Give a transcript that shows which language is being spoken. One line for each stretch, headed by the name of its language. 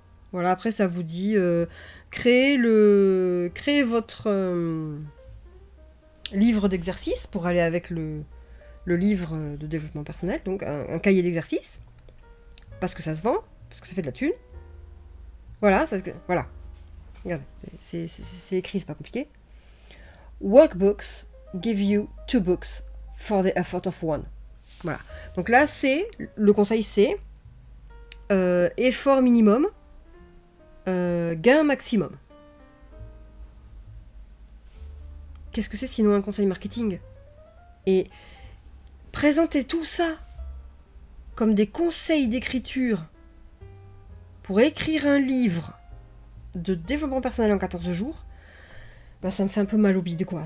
French: Voilà, après ça vous dit créer votre livre d'exercice pour aller avec le livre de développement personnel, donc un cahier d'exercice, parce que ça se vend, parce que ça fait de la thune. Voilà, ça, voilà. Regardez, c'est écrit, c'est pas compliqué.
English: Workbooks give you two books for the effort of one.
French: Voilà. Donc là, c'est le conseil, c'est effort minimum. Gain maximum. Qu'est-ce que c'est sinon un conseil marketing? Et présenter tout ça comme des conseils d'écriture pour écrire un livre de développement personnel en 14 jours, ben ça me fait un peu mal au bide, quoi.